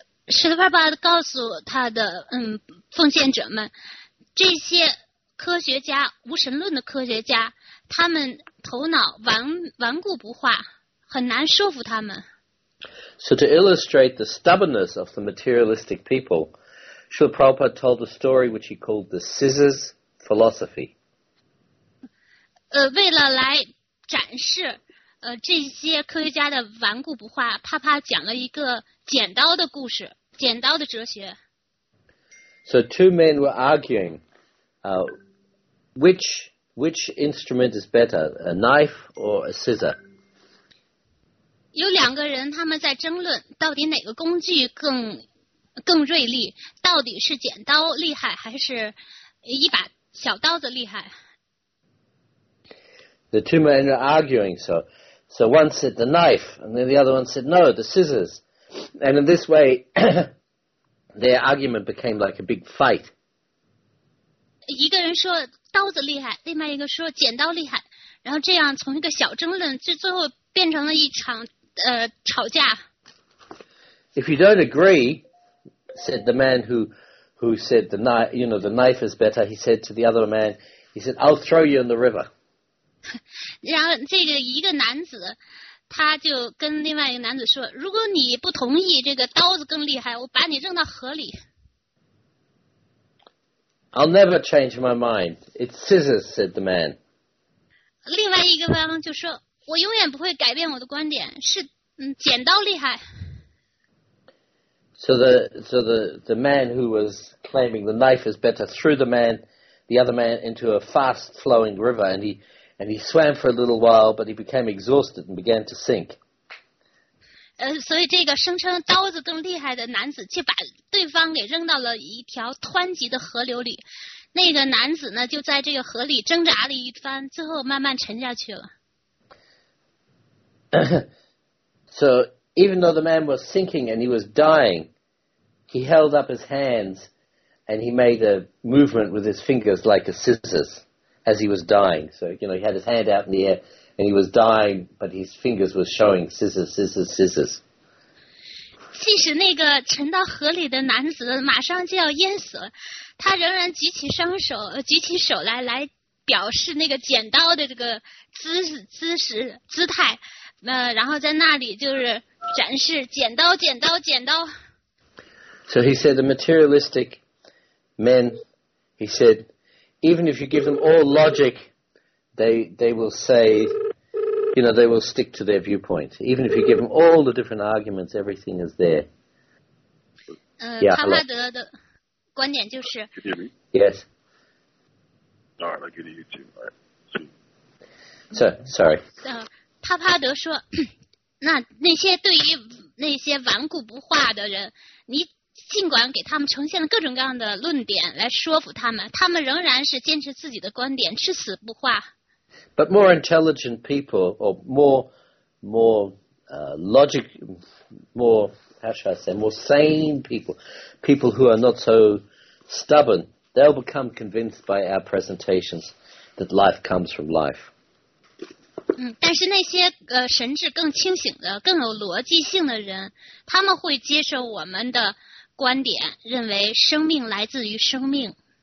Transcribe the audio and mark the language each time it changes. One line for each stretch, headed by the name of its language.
Chinese: Srila Prabhupada 告诉他的奉献者们，这些科学家，无神论的科学家，他们头脑顽固不化，很难说服他们。
English: So to illustrate the stubbornness of the materialistic people, Srila Prabhupada told a story which he called the scissors philosophy.
Chinese: 为了来展示这些科学家的顽固不化，帕帕讲了一个剪刀的故事，剪刀的哲学。
English: So two men were arguing, which instrument is better, a knife or a scissor?
Chinese: 有两个人他们在争论到底哪个工具更锐利，到底是剪刀厉害还是一把小刀子厉害。
English: The two men are arguing, so one said the knife, and then the other one said no, the scissors. And in this way, their argument became like a big fight.
Chinese: 一个人说刀子厉害，另外一个说剪刀厉害，然后这样从一个小争论，最后变成了一场吵架。
English: If you don't agree, said the man who said the knife, you know, the knife is better, he said to the other man, he said, I'll throw you in the river.
Chinese: 然后这个一个男子，他就跟另外一个男子说，如果你不同意这个刀子更厉害，我把你扔到河里。
English: I'll never change my mind. It's scissors, said the man.
Chinese: 另外一个方就说，我永远不会改变我的观点，是剪刀厉害。
English: So the man who was claiming the knife is better threw the other man into a fast flowing river, and he swam for a little while, but he became exhausted and began to sink.
Chinese: 所以这个声称刀子更厉害的男子却把对方给扔到了一条湍急的河流里，那个男子呢就在这个河里挣扎了一番，最后慢慢沉下去了。
English: So even though the man was sinking and he was dying, he held up his hands and he made a movement with his fingers like a scissors as he was dying. So, you know, he had his hand out in the air. And he was dying, but his fingers were showing scissors, scissors, scissors.
Chinese: 即使那个沉到河里的男子马上就要淹死了，他仍然举起手来表示那个剪刀的这个姿势，然后在那里就是展示，剪刀，剪刀，剪刀。
English: So he said the materialistic men, he said, even if you give them all logic, they will say, you know, they will stick to their viewpoint. Even if you give them all the different arguments, everything is there.
Chinese: Yeah, 康拉德的观点就是。
English: Yes. All right, I'll get you to. So, sorry.
Chinese: 帕帕德说，那些对于那些顽固不化的人，你尽管给他们呈现了各种各样的论点来说服他们，他们仍然是坚持自己的观点，至死不化。
English: But more intelligent people, or more sane people, people who are not so stubborn, they'll become convinced by our presentations that life comes from life.
Chinese: 但是那些神智更清醒的、更有逻辑性的人，他们会接受我们的观点，认为生命来自于生命。